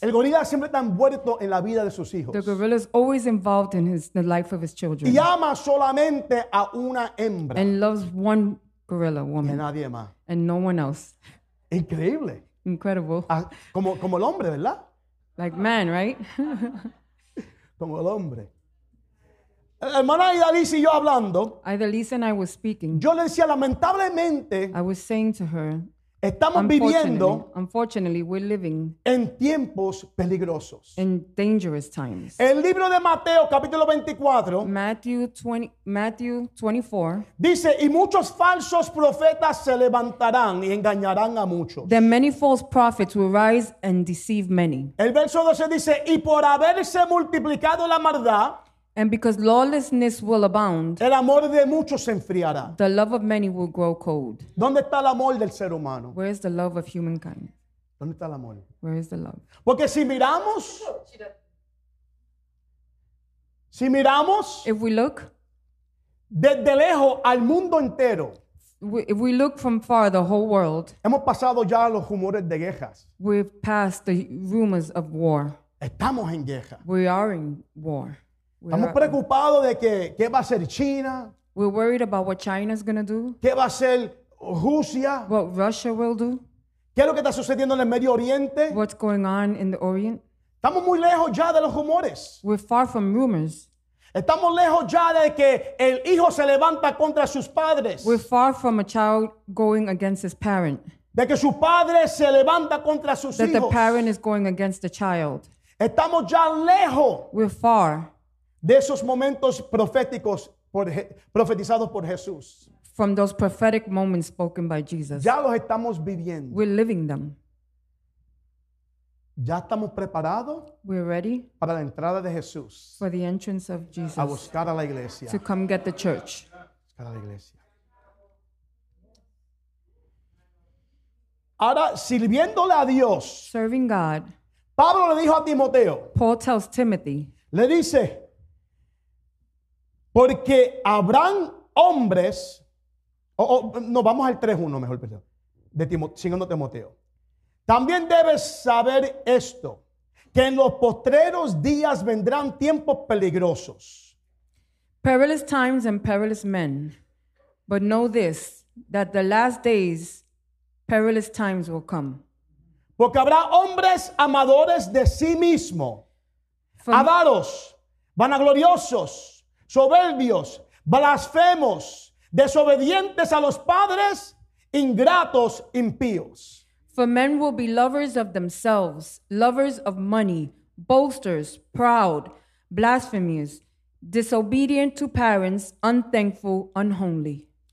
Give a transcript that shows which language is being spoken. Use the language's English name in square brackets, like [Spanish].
[Spanish] El gorila siempre está envuelto en la vida de sus hijos. [English] The gorilla is always involved in the life of his children. [Spanish] Y ama solamente a una hembra. [English] And loves one gorilla woman. [Spanish] Y nadie más. [English] And no one else. [Spanish] Increíble. [English] Incredible. [Spanish] Ah, como el hombre, ¿verdad? [English] Like man, right? [Spanish] Como el hombre. Hermana Idalisa y yo hablando. [English] Idalisa and I were speaking. [Spanish] Yo le decía, lamentablemente. [English] I was saying to her. [Spanish] Estamos viviendo. [English] Unfortunately, we're living. [Spanish] En tiempos peligrosos. [English] In dangerous times. [Spanish] El libro de Mateo, capítulo 24. [English] Matthew 24. [Spanish] Dice, y muchos falsos profetas se levantarán y engañarán a muchos. [English] Then many false prophets will rise and deceive many. [Spanish] El verso 12 dice, y por haberse multiplicado la maldad. [English] And because lawlessness will abound, [Spanish] el amor de muchos se enfriará. [English] The love of many will grow cold. [Spanish] ¿Dónde está el amor del ser humano? [English] Where is the love of humankind? [Spanish] ¿Dónde está el amor? [English] Where is the love? [Spanish] Porque si miramos, si miramos, [English] if we look, [Spanish] desde lejos al mundo entero, [English] if we look from far, the whole world, [Spanish] hemos pasado ya los rumores de guerras. [English] We've passed the rumors of war. [Spanish] Estamos en guerra. [English] We are in war. [Spanish] Estamos preocupados de qué va a hacer China. [English] We're worried about what China's going to do. [Spanish] ¿Qué va a hacer Rusia? [English] What Russia will do. [Spanish] ¿Qué es lo que está sucediendo en el Medio Oriente? [English] What's going on in the Orient? [Spanish] Estamos muy lejos ya de los rumores. [English] We're far from rumors. [Spanish] Estamos lejos ya de que el hijo se levanta contra sus padres. [English] We're far from a child going against his parent. [Spanish] De que su padre se levanta contra sus [English] that [Spanish] hijos. [English] That the parent is going against the child. [Spanish] Estamos ya lejos. [English] We're far. [Spanish] De esos momentos proféticos profetizados por Jesús. [English] From those prophetic moments spoken by Jesus. [Spanish] Ya los estamos viviendo. [English] We're living them. [Spanish] Ya estamos preparados. [English] We're ready. [Spanish] Para la entrada de Jesús. [English] For the entrance of Jesus. [Spanish] A buscar a la iglesia. [English] To come get the church. [Spanish] Buscar a la iglesia. Ahora, sirviéndole a Dios. [English] Serving God. [Spanish] Pablo le dijo a Timoteo. [English] Paul tells Timothy. [Spanish] Le dice. Porque habrán hombres, no, vamos al 3:1 mejor, perdón, de segundo Timoteo. También debes saber esto, que en los postreros días vendrán tiempos peligrosos. [English] Perilous times and perilous men, but know this, that the last days, perilous times will come. [Spanish] Porque habrá hombres amadores de sí mismo, avaros, vanagloriosos, soberbios, blasfemos, desobedientes a los padres, ingratos, impíos. [English] For men will be lovers of themselves, lovers of money, boasters, proud, blasphemous, disobedient to parents, unthankful, unholy.